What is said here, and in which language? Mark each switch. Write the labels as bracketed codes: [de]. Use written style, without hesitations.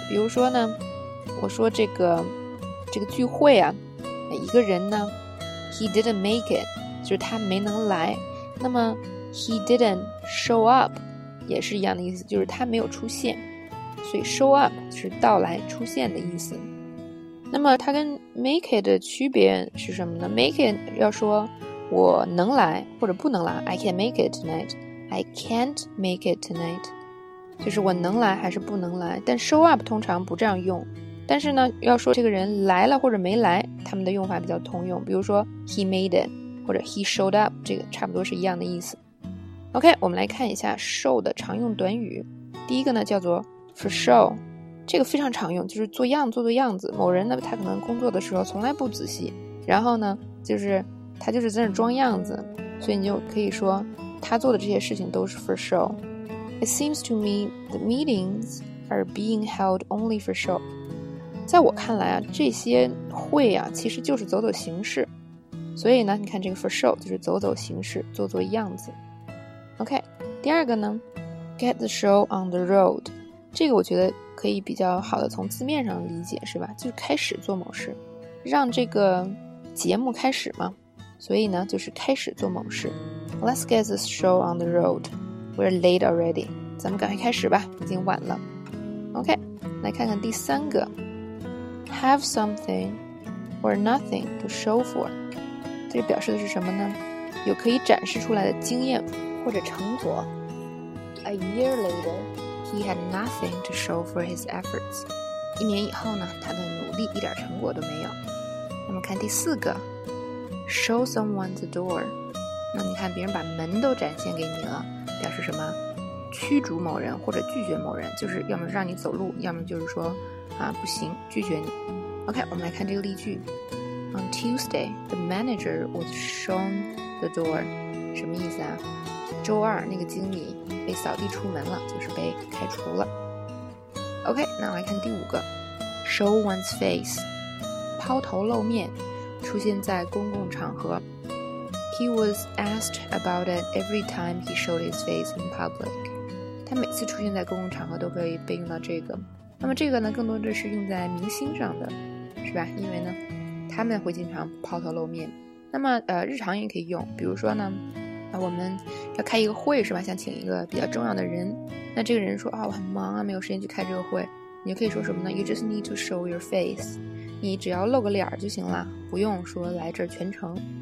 [zh] 比如说呢我说这个聚会啊，一个人呢 [en] he didn't make it， [zh] 就是他没能来。那么 [en] he didn't show up [zh] 也是一样的意思，就是他没有出现，所以 show up 是到来出现的意思。那么它跟 make it 的区别是什么呢？ make it 要说我能来或者不能来， [en] I can make it tonight， [zh] I can't make it tonight， 就是我能来还是不能来。但 show up 通常不这样用，但是呢要说这个人来了或者没来，他们的用法比较通用。比如说 [en] he made it [zh] 或者 [en] he showed up， [zh] 这个差不多是一样的意思。 OK， 我们来看一下 show 的常用短语。第一个呢叫做 for show， 这个非常常用，就是做样做做样子。某人呢他可能工作的时候从来不仔细，然后呢就是他就是在那装样子，所以你就可以说他做的这些事情都是 for show。 [en] It seems to me the meetings are being held only for show， [zh] 在我看来这些会其实就是走走形式。所以呢，你看这个 for show 就是走走形式，做做样子。 OK， 第二个呢 ，get the show on the road， 这个我觉得可以比较好的从字面上理解，是吧？就是开始做某事，让这个节目开始嘛。所以呢，就是开始做某事。 [en] Let's get the show on the road. We're late already. [zh] 咱们赶快开始吧，已经晚了。 OK， 来看看第三个 ，have something or nothing to show for。这表示的是什么呢？有可以展示出来的经验或者成果。 [en] A year later, he had nothing to show for his efforts. [zh] 一年以后呢，他的努力一点成果都没有。那么看第四个 ，show someone the door。那你看别人把门都展现给你了，表示什么？驱逐某人或者拒绝某人，就是要么让你走路，要么就是说啊不行，拒绝你。 OK， 我们来看这个例句。 [en] On Tuesday, the manager was shown the door. [zh] 什么意思啊？周二那个经理被扫地出门了，就是被开除了。 OK， 那我来看第五个 ，show one's face， 抛头露面，出现在公共场合。 [en] He was asked about it every time he showed his face in public. [zh] 他每次出现在公共场合都会被用到这个。那么这个呢，更多的是用在明星上的，是吧？因为呢。他们会经常抛头露面，那么日常也可以用，比如说呢，我们要开一个会是吧？想请一个比较重要的人，那这个人说啊、哦、我很忙啊，没有时间去开这个会，你就可以说什么呢 ？ [en] You just need to show your face， [zh] 你只要露个脸就行了，不用说来这儿全程。